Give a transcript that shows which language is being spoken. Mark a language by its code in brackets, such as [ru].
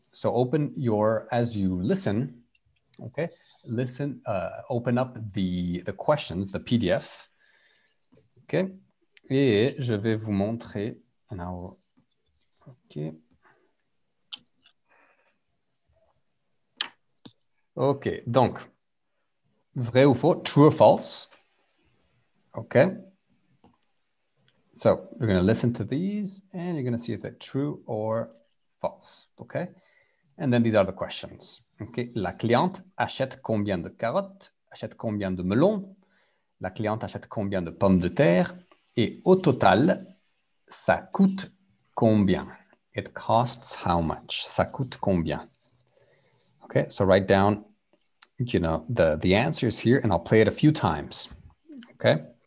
[en] So open your, as you listen, okay, listen, open up the questions, the PDF, okay, [fr] et je vais vous montrer, [en] and I will, okay, [fr] donc, vrai ou faux, [en] true or false, okay. So, we're going to listen to these and you're going to see if they're true or false, okay? And then these are the questions. [fr] Okay, la cliente achète combien de carottes? Achète combien de melons? La cliente achète combien de pommes de terre? Et au total, ça coûte combien? [en] It costs how much? [fr] Ça coûte combien? [en] Okay, so write down, you know, the answers here and I'll play it a few times, okay?